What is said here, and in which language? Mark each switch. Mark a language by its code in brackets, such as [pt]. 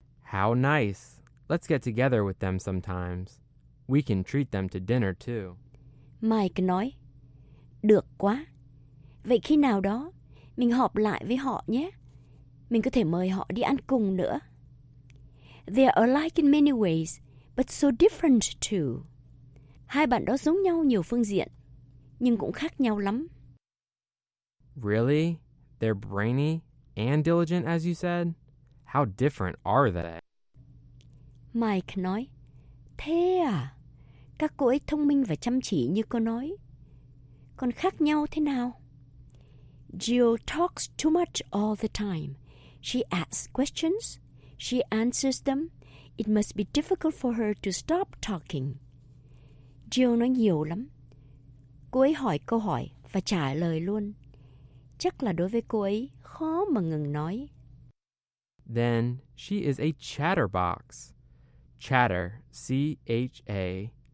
[en] How nice. Let's get together with them sometimes. We can treat them to dinner too. [vi] Mike nói, được quá. Vậy khi nào đó, mình họp lại với họ nhé. Mình có thể mời họ đi ăn cùng nữa. [en] They are alike in many ways, but so different too. [vi] Hai bạn đó giống nhau nhiều phương diện, nhưng cũng khác nhau lắm. [en] Really? They're brainy and diligent, as you said? How different are they? [vi] Mike nói, thế à? Các cô ấy thông minh và chăm chỉ như cô nói. Còn khác nhau thế nào? [en] Jill talks too much all the time. She asks questions. She answers them. It must be difficult for her to stop talking. [vi] Jill nói nhiều lắm. Cô ấy hỏi câu hỏi và trả lời luôn. Chắc là đối với cô ấy khó mà ngừng nói. [en] Then she is a chatterbox. Chatter, C-H-A-T-T-E-R.